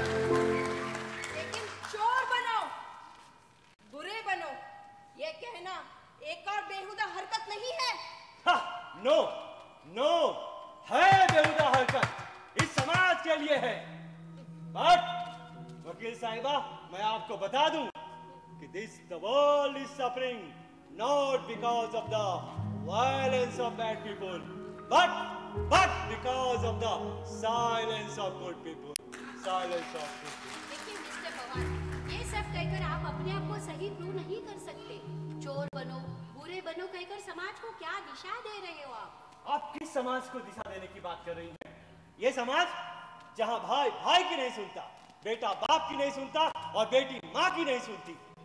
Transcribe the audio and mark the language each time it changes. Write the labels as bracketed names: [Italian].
[Hindi] लेकिन चोर बनो, बुरे बनो, ये कहना एक और बेहुदा हरकत नहीं है? नो, है बेहुदा हरकत, इस समाज के लिए है। बट वकील साहिबा, मैं आपको बता दूं कि [English] This the world is suffering not because of the violence of bad people, but because of the silence of good people. Silence of good people. [Hindi] लेकिन मिस्टर बवाल, ये सब कहकर आप अपने आप को सही प्रूव नहीं कर सकते। चोर बनो, बुरे बनो कहकर समाज को क्या दिशा दे रहे हो आप? आप किस समाज को दिशा देने की बात कर रही हैं? ये समाज जहां भाई भाई की नहीं सुनता, बेटा बाप की नहीं सुनता और बेटी माँ की नहीं सुनती।